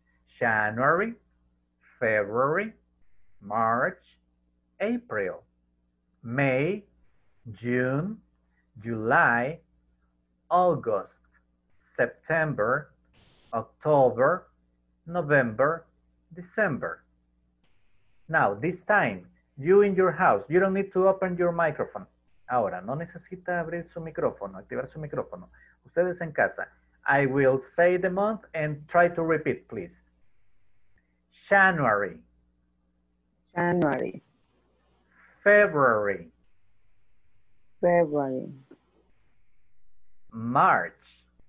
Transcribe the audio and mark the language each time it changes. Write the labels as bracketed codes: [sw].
[en] January, February, March, April, May, June, July, August, September, October, November, December. Now, this time, you in your house, you don't need to open your microphone. [es] Ahora, no necesita abrir su micrófono, activar su micrófono. Ustedes en casa. [en] I will say the month and try to repeat, please. January. January. February. February. March.